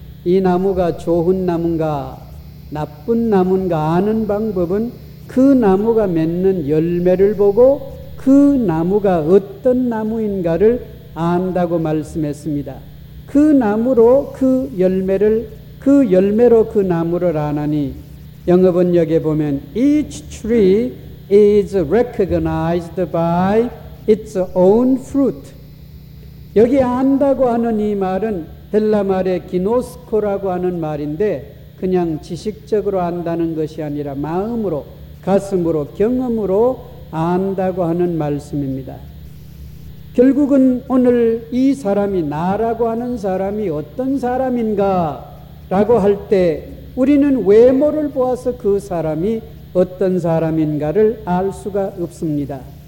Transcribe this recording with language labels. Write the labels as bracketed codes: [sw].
[ko] 이 나무가 좋은 나무인가 나쁜 나무인가 아는 방법은 그 나무가 맺는 열매를 보고 그 나무가 어떤 나무인가를 안다고 말씀했습니다. 그 나무로 그 열매를 그 열매로 그 나무를 아나니. 영어 번역에 보면 [en] Each tree is recognized by its own fruit. [ko] 여기 안다고 하는 이 말은 헬라 말의 기노스코라고 하는 말인데 그냥 지식적으로 안다는 것이 아니라 마음으로 가슴으로 경험으로 안다고 하는 말씀입니다. 결국은 오늘 이 사람이 나라고 하는 사람이 어떤 사람인가라고 할 때 우리는 외모를 보아서 그 사람이 어떤 사람인가를 알 수가 없습니다.